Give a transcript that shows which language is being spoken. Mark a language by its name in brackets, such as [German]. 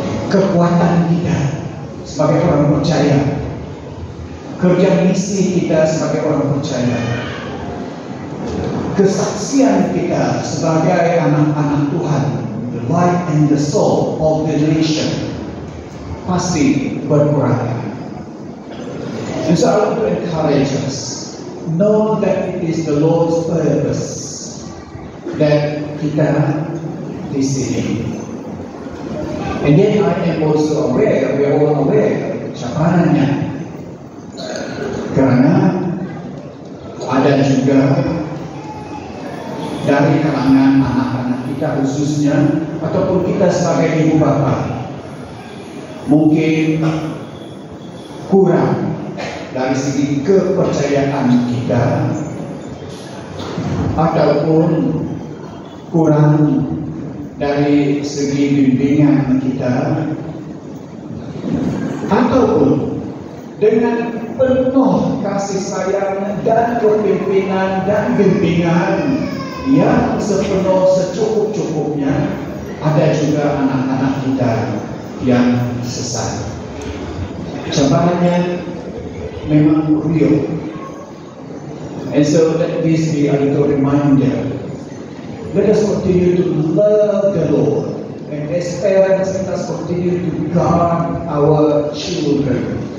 [Malay] Kekuatan kita sebagai orang percaya, kerja misi kita sebagai orang percaya, kesaksian kita sebagai anak-anak Tuhan, [English] the light and the soul of the nation, [Malay] pasti berkurang. [English] And so I want to encourage us, know that it is the Lord's purpose that [Malay] kita di sini. [English] And then I am also aware, we are all aware, [Malay] cabarannya, karena ada juga dari kalangan anak-anak kita khususnya, ataupun kita sebagai ibu bapa, mungkin kurang dari segi kepercayaan kita, ataupun kurang dari segi bimbingan kita, ataupun dengan penuh kasih sayang dan kepimpinan dan bimbingan yang sepenuh secukup-cukupnya, ada juga anak-anak kita yang sesat. Cabarannya memang real. [English] And so let this be a little reminder Let us continue to love the Lord and as parents, let us continue to guard our children.